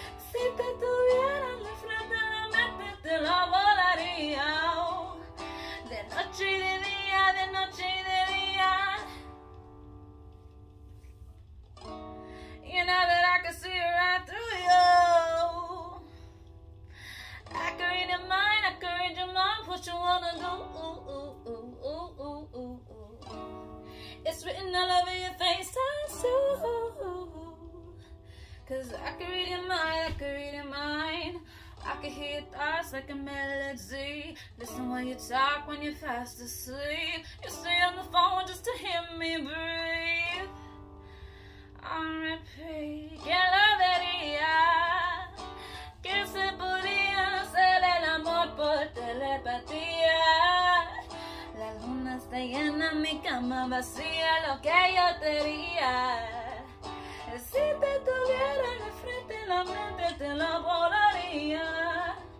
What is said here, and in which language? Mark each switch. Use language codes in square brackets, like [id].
[es] Si te tuviera de frente a la mente, te lo volaría. De noche y de día, de noche y de día. [en] You know that I can see right through you. I can read your mind, I can read your mind, what you wanna do. It's written all over your face, I see. Cause I can read your mind, I can read your mind. I can hear your thoughts like a melody. Listen while you talk when you're fast asleep. You stay on the phone just to hear me breathe. I repeat, [es] que lo diría. Que se podría hacer el amor por telepatía. La luna está llena, mi cama vacía, lo que yo te diría. Si te tuviera de frente la mente, te lo volaría.